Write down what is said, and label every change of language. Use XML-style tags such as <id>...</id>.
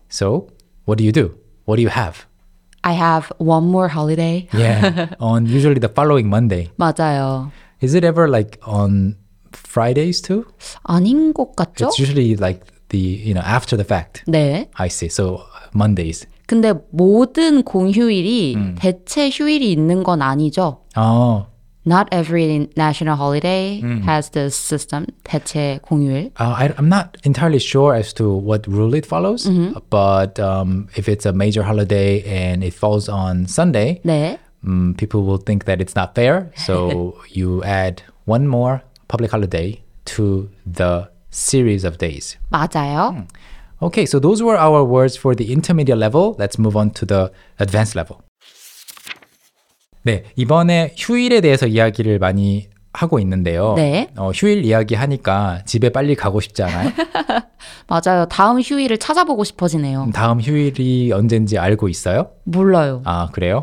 <en>So, what do you do? What do you have? I have one more holiday. Yeah, on usually the following Monday.</en> <ko>맞아요.</ko> <en>Is it ever like on Fridays too?</en> <ko>아닌 것 같죠?</ko> <en>It's usually like the, you know, after the fact.</en> <ko>네.</ko> <en>I see. So, Mondays.</en> <ko>근데 모든 공휴일이 대체 휴일이 있는 건 아니죠? 어.</ko> <en>Not every national holiday has this system, 대체 공휴일. I'm not entirely sure as to what rule it follows, but if it's a major holiday and it falls on Sunday,</en> <ko>네.</ko> <en>People will think that it's not fair. So you add one more public holiday to the series of days.</en> <ko>맞아요.</ko> <en>Okay, so those were our words for the intermediate level. Let's move on to the advanced level.</en> <ko>네, 이번에 휴일에 대해서 이야기를 많이 하고 있는데요. 네. 휴일 이야기하니까 집에 빨리 가고 싶지 않아요? 맞아요. 다음 휴일을 찾아보고 싶어지네요. 다음 휴일이 언젠지 알고 있어요? 몰라요. 아, 그래요?</ko>